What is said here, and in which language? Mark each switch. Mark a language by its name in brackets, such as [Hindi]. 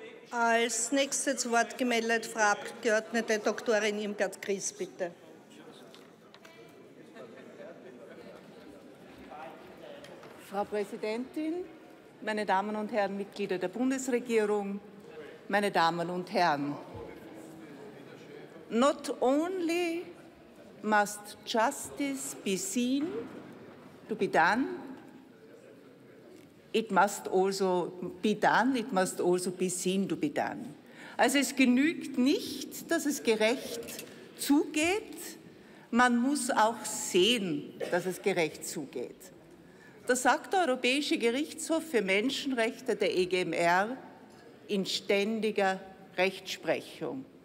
[German] Als nächste zu Wort gemeldet Frau Abgeordnete Doktorin Irmgard Kreis, bitte. Frau Präsidentin, meine Damen und Herren Mitglieder der Bundesregierung, meine Damen und Herren. [English] Not only must justice be seen to be done, it must also be seen to be done. [German] Also es genügt nicht, dass es gerecht zugeht, man muss auch sehen, dass es gerecht zugeht. Das sagt der Europäische Gerichtshof für Menschenrechte, der EGMR, in ständiger Rechtsprechung.